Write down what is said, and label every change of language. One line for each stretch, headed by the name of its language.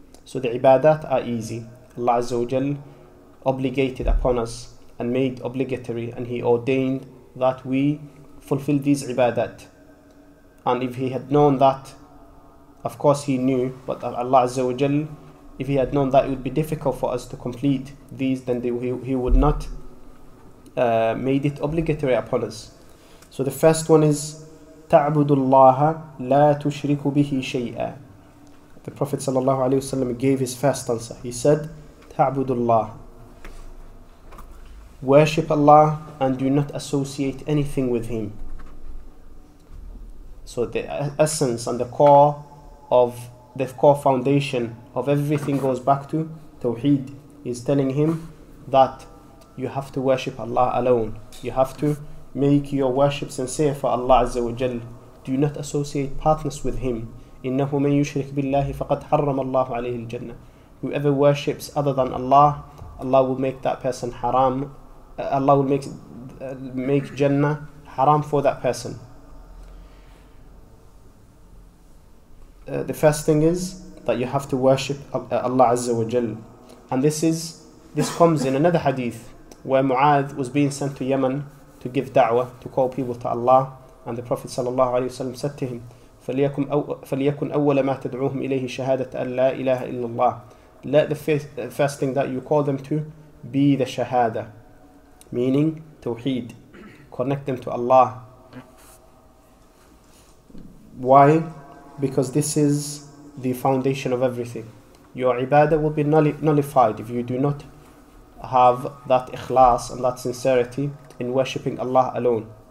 English: So the ibadat are easy. Allah Azza wa Jal obligated upon us and made obligatory, and he ordained that we fulfill these ibadat. And if he had known that, of course he knew, but Allah Azza wa Jal, if he had known that it would be difficult for us to complete these, then he would not made it obligatory upon us. So the first one is
Arabic: تَعْبُدُ اللَّهَ لَا تُشْرِكُ بِهِ شَيْئًا.
English: The Prophet sallallahu alaihi wasallam gave his first answer. He said,
Arabic: تَعْبُدُ اللَّهَ,
English: worship Allah and do not associate anything with him. So the essence and the core of the core foundation of everything goes back to Tawheed. He's telling him that you have to worship Allah alone. You have to make your worship sincere for Allah Azza wa Jal. Do not associate partners with him.
Arabic: إِنَّهُ مَنْ يُشْرِكْ بِاللَّهِ فَقَدْ حَرَّمَ اللَّهُ عَلَيْهِ الْجَنَّةِ.
English: Whoever worships other than Allah, Allah will make that person haram. Allah will make Jannah haram for that person. The first thing is that you have to worship Allah Azza wa Jal. And this comes in another hadith where Mu'adh was being sent to Yemen to give da'wah, to call people to Allah. And the Prophet sallallahu alaihi wasallam said to him,
Arabic: فليكن أول ما تدعوهم إليه شهادة أن لا إله إلا الله.
English: Let the first thing that you call them to be the shahada, meaning tawheed. Connect them to Allah. Why? Because this is the foundation of everything. Your ibadah will be nullified if you do not have that ikhlas and that sincerity in worshipping Allah alone.